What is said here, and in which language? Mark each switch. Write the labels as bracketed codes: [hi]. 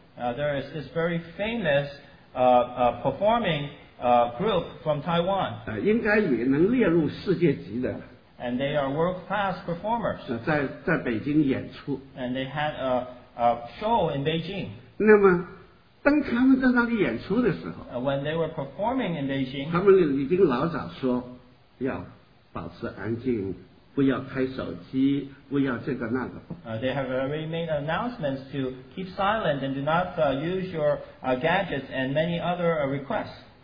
[en] There is this very famous performing group from Taiwan. [zh] 应该也能列入世界级的。 [en] And they are world class performers. [zh] 在北京演出。 [en] And they had a show in Beijing. [zh] 那么，当他们在那里演出的时候， [en] when they were performing in Beijing, [zh] 他们已经老早说要保持安静。不要开手机, 不要这个那个。 [en] They have already made announcements to keep silent and do not use your gadgets and many other requests.